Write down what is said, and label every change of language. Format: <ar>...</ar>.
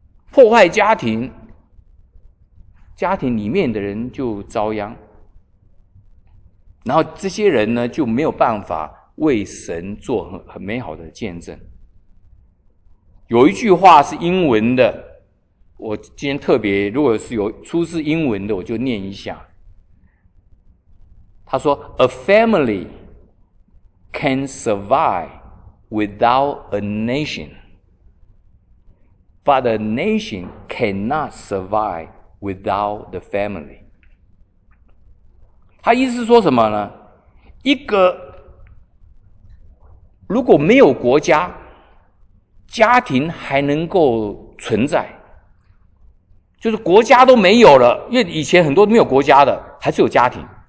<zh>破坏家庭，家庭里面的人就遭殃，然后这些人呢，就没有办法为神做很美好的见证。有一句话是英文的，我今天特别，如果是有出自英文的，我就念一下。他说</zh> <en>A family can survive without a nation, but a nation cannot survive without the family.</en> <zh>他意思说什么呢？一个如果没有国家，家庭还能够存在，就是国家都没有了，因为以前很多没有国家的，还是有家庭。</zh>